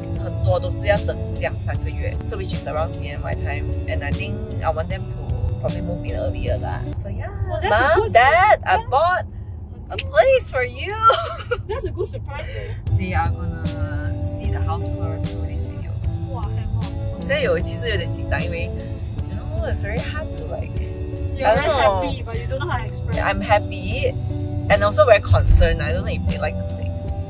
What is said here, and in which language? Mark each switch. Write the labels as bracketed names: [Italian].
[English] 很多都是要等两三个月， so which is around CNY time, and I think I want them to probably move in earlier lah. So yeah, mom, dad, I bought a place for you. That's a good surprise. They are gonna see the house tour through this video. [Chinese] 哇，很好。现在有其实有点紧张，因为 [English] you know it's very hard to like. You're very happy, but you don't know how to express. I'm happy, and also very concerned. I don't know if they like the place.